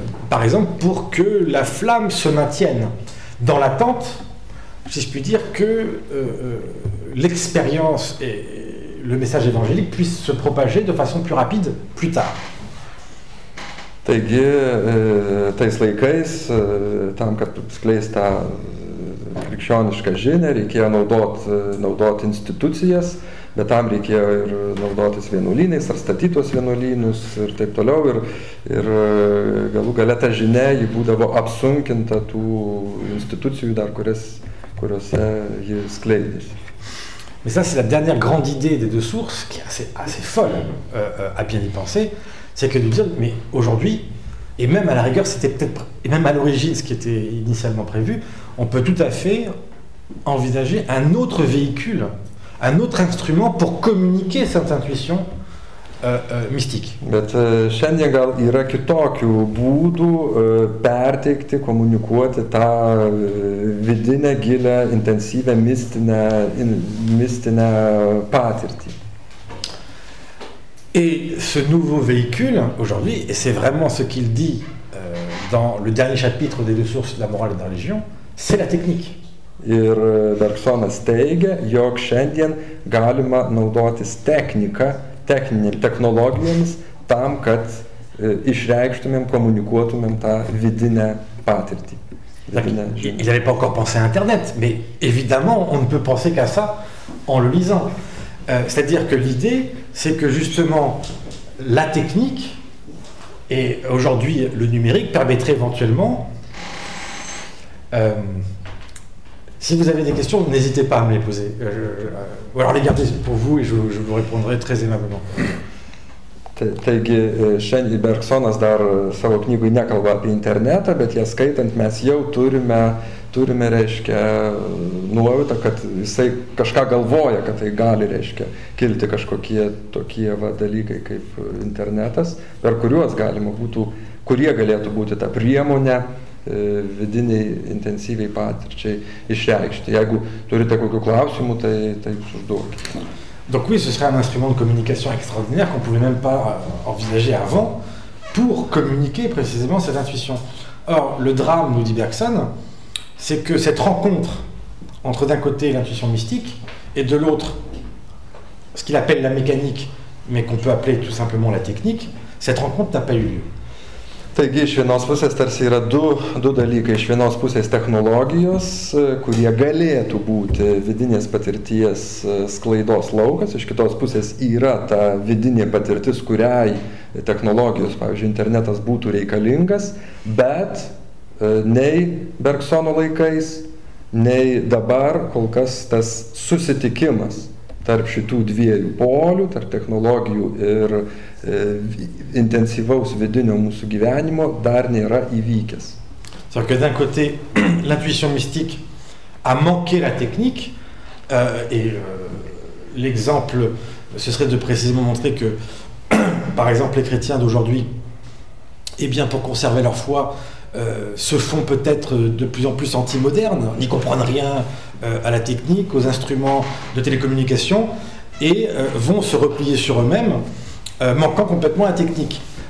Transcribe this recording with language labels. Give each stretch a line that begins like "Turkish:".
French: par exemple, pour que la flamme se maintienne dans l'attente, si je puis dire, que l'expérience et le message évangélique puissent se propager de façon plus rapide plus tard.
Lithuanian: Taigi, tais laikais, tam, kad skleis tą krikščionišką žinę, reikėjo naudoti institucijas, bet tam reikėjo ir naudotis vienuolynais, ar statytos vienuolynus, ir taip toliau. Ir galų gale ta žinia, ji būdavo apsunkinta tų institucijų, dar kuriuose ji skleidėsi.
French: Mais ça, c'est la dernière grande idée des deux sources, qui est assez folle, à bien y penser. C'est que de dire, mais aujourd'hui, et même à la rigueur, c'était peut-être, et même à l'origine, ce qui était initialement prévu, on peut tout à fait envisager un autre véhicule, un autre instrument pour communiquer cette intuition mystique.
Lithuanian: Bet šiandien gal yra kitokių būdų perteikti, komunikuoti tą vidinę, gilę, intensyvę, mistinę patirtį.
French: Et ce nouveau véhicule, aujourd'hui, et c'est vraiment ce qu'il dit dans le dernier chapitre des deux sources de la morale et de la religion, c'est la technique.
Lithuanian: Ir Bergsonas teigia, jog šiandien galima naudotis techninėmis technologijomis tam, kad išreikštumėm, komunikuotumėm tą vidinę patirtį.
French: Il n'avait pas encore pensé à Internet, mais évidemment, on ne peut penser qu'à ça en le lisant. C'est-à-dire que l'idée, c'est que justement la technique et aujourd'hui le numérique permettrait éventuellement. Si vous avez des questions, n'hésitez pas à me les poser. Ou alors les garder pour vous et je vous répondrai très aimablement.
Lithuanian: Taigi, šiandien Bergsonas dar savo knygoje nekalba apie internetą, bet ją skaitant mes jau turime reiškia, nuojautą, kad jisai kažką galvoja, kad tai gali, reiškia, kilti kažkokie tokie va, dalykai kaip internetas, per kuriuos galima būtų, kurie galėtų būti tą priemonę vidiniai intensyviai patirčiai išreikšti. Jeigu turite kokių klausimų, tai taip užduokite.
French: Donc oui, ce serait un instrument de communication extraordinaire qu'on ne pouvait même pas envisager avant pour communiquer précisément cette intuition. Or, le drame, nous dit Bergson, c'est que cette rencontre entre d'un côté l'intuition mystique et de l'autre ce qu'il appelle la mécanique, mais qu'on peut appeler tout simplement la technique, Cette rencontre n'a pas eu lieu.
Lithuanian: Taigi, iš vienos pusės tarsi yra du dalykai. Iš vienos pusės technologijos, kurie galėtų būti vidinės patirties sklaidos laukas, iš kitos pusės yra ta vidinė patirtis, kuriai technologijos, pavyzdžiui, internetas būtų reikalingas, bet nei Bergsono laikais, nei dabar kol kas tas susitikimas tarp šitų dviejų polių, tarp technologijų ir intensyvaus vidinio mūsų gyvenimo dar nėra įvykęs.
French: C'est-à-dire que d'un côté, l'intuition mystique a manqué la technique, et l'exemple, ce serait de précisément montrer que, par exemple, les chrétiens d'aujourd'hui, eh bien, pour conserver leur foi, se font peut-être de plus en plus anti-modernes, n'y comprennent rien à la technique, aux instruments de télécommunication, et vont se replier sur eux-mêmes, manquant complètement la technique.